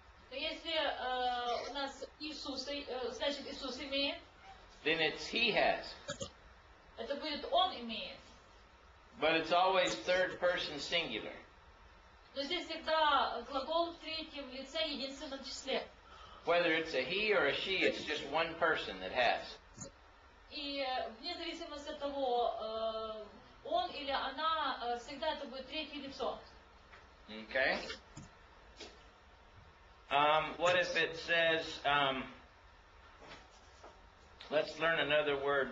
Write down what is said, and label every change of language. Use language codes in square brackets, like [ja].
[ru] то если у нас Иисус, значит Иисус имеет, [en] then it's he has. [ru] Это будет он имеет. [en] But it's always third person singular. [ru] Но здесь всегда глагол в третьем лице, единственном числе. [en] Whether it's a he or a she, it's just one person that has. [ru] И вне зависимости от того, он или она, всегда это будет третье лицо. [en] Okay. What if it says, let's learn another word.